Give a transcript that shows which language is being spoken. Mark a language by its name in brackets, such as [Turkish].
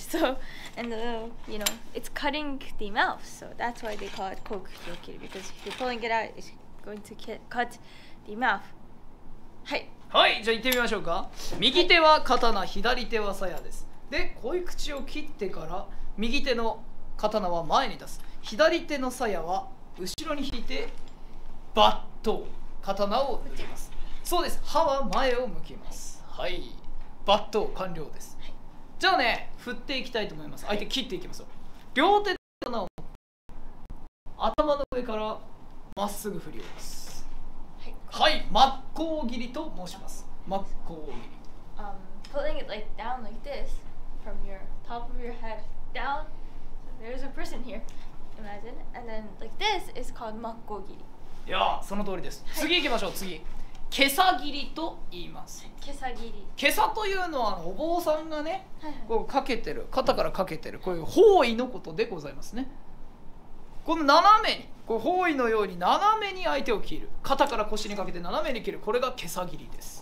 [English] So, and the, you know, it's cutting the mouth. So that's why they call it kokuchoki. Because if you're pulling it out, it's going to cut the mouth. [Japanese] はい。はい、じゃあ行ってみましょうか。右手は刀、はい、左手は鞘です。で、鯉口を切ってから右手の刀は前に出す。左手の鞘は後ろに引いてバッと刀を抜きます。そうです、歯は前を向きます。はい、バット完了です、はい、じゃあね、振っていきたいと思います。相手切っていきますよ、はい、両手で刀を持って頭の上からまっすぐ振ります。はい、真っ向切りと申します。真っ向切り、 [English] pulling it like down like this from your top of your head down、so、there's a person here imagine and then like this is called 真っ向切り。 [Japanese] いや、その通りです。次行きましょう、はい、次けさ切りと言います。けさ切り、けさというのはお坊さんがね、はいはい、こうかけてる、肩からかけてる、こういう方位のことでございますね。この斜めに、こう方位のように斜めに相手を切る、肩から腰にかけて斜めに切る、これがけさ切りです。